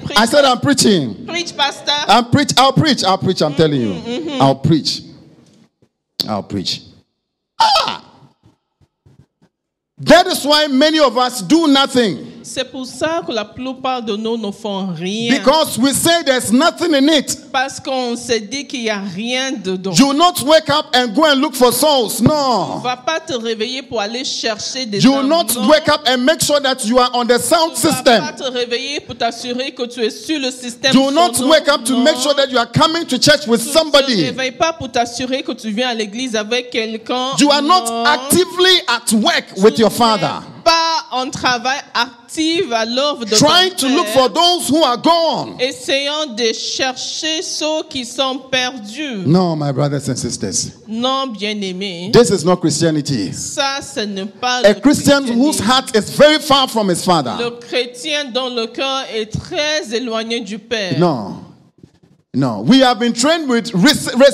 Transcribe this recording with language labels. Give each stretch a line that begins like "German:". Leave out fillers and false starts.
English: Preach. I said I'm preaching. Preach, pastor. I'll preach. I'm telling you. Mm-hmm. I'll preach. Ah. That is why many of us do nothing.
French: C'est pour ça que la plupart de nous ne font rien.
English: Because we say there's nothing in it.
French: Parce qu'on s'est dit qu'il y a rien dedans.
English: You will not wake up and go and look for souls. No.
French: Tu vas pas te réveiller pour aller chercher des âmes.
English: You will not wake up and make sure that you are on the sound system.
French: Tu vas pas te réveiller pour t'assurer que tu es sur le système.
English: You will not wake up to make sure that you are coming to church with somebody.
French: Tu ne te réveilles pas pour t'assurer que tu viens à l'église avec quelqu'un.
English: You are not actively at work with your father.
French: On travaille active à l'œuvre de
English: trying to look for those who are gone.
French: Essayons de chercher ceux qui sont perdus.
English: No, my brothers and sisters.
French: Non, bien-aimés.
English: This is not Christianity.
French: Ça, ce n'est pas
English: a Christian whose heart is very far from his father.
French: Le chrétien dont le cœur est très éloigné du père.
English: No. We have been trained with receive.